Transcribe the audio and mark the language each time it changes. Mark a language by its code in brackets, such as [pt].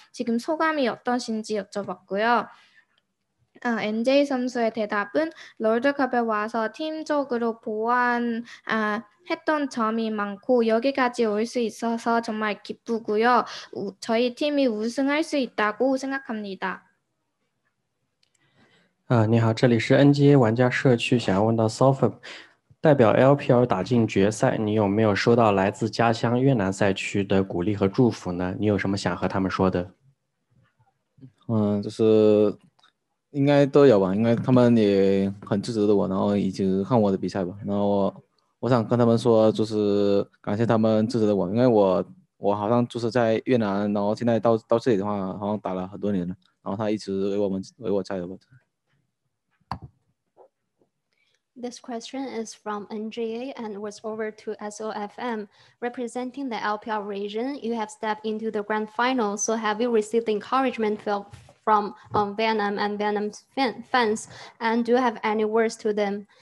[ko] 지금 소감이 어떠신지 여쭤봤고요. NJ 선수의 대답은 롤드컵에 와서 팀적으로 보완했던 점이 많고 여기까지 올 수 있어서 정말 기쁘고요. 저희 팀이 우승할 수 있다고 생각합니다. [zh] 你好，这里是 NJ 玩家社区，想要问到 Sofa 代表 LPL 打进决赛，你有没有收到来自家乡越南赛区的鼓励和祝福呢？你有什么想和他们说的？就是。应该都有吧，应该他们也很支持的我，然后一直看我的比赛吧。然后我想跟他们说，就是感谢他们支持的我，因为我好像就是在越南，然后现在到这里的话，好像打了很多年了，然后他一直为我加油吧。 [en] This question is from NGA and was over to SOFM. Representing the LPL region, you have stepped into the grand final. So have you received the encouragement from Venom and Venom's fans, and do you have any words to them?